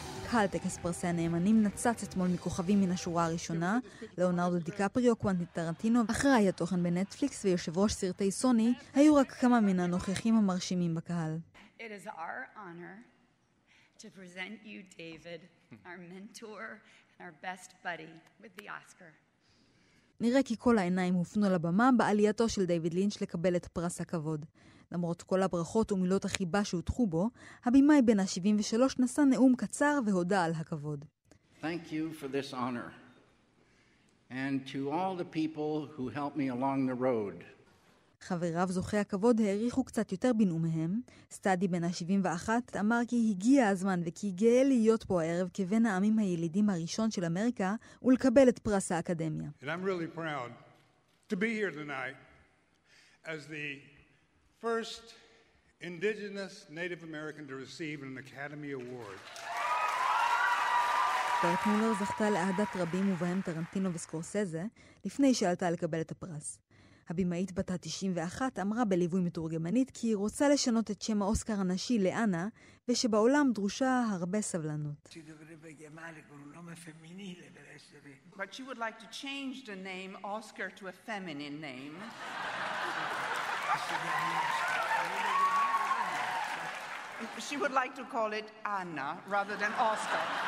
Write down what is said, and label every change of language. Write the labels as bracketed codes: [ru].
[he] קהל טקס פרסי הנאמנים נצץ אתמול מכוכבים מן השורה הראשונה, לאונרדו דיקפריו, קוונטין טרנטינו, אחראי התוכן בנטפליקס ויושב ראש סרטי סוני, היו רק כמה מן הנוכחים המרשימים בקהל. [en] It is our honor to present you David, our mentor and our best buddy with the Oscar. [he] נראה כי כל העיניים הופנו לבמה בעלייתו של דיוויד לינץ' לקבל את פרס הכבוד. למרות כל הברכות ומילות החיבה שהותחו בו, הבימאי בן ה-73 נשא נאום קצר והודה על הכבוד. [en] Thank you for this honor. And to all the people who helped me along the road. [he] חבריו זוכי הכבוד העריכו קצת יותר בנאומיהם. סטאדי בן ה-71 אמר כי הגיע הזמן וכי גאה להיות פה הערב כבין העמים הילידים הראשון של אמריקה ולקבל את פרס האקדמיה. [en] And I'm really proud to be here tonight as the first indigenous native american to receive an academy award. [he] טרנטינו זכתה לאהדת רבים ובהם טרנטינו וסקורסזה לפני שעלתה לקבל את הפרס. הבימאית בת 91 אמרה בליווי מתורגמנית כי היא רוצה לשנות את שם האוסקר הנשי לאנה ושבעולם דרושה הרבה סבלנות. [en] But she would like to change the name Oscar to a feminine name. She would like to call it Anna rather than Oscar.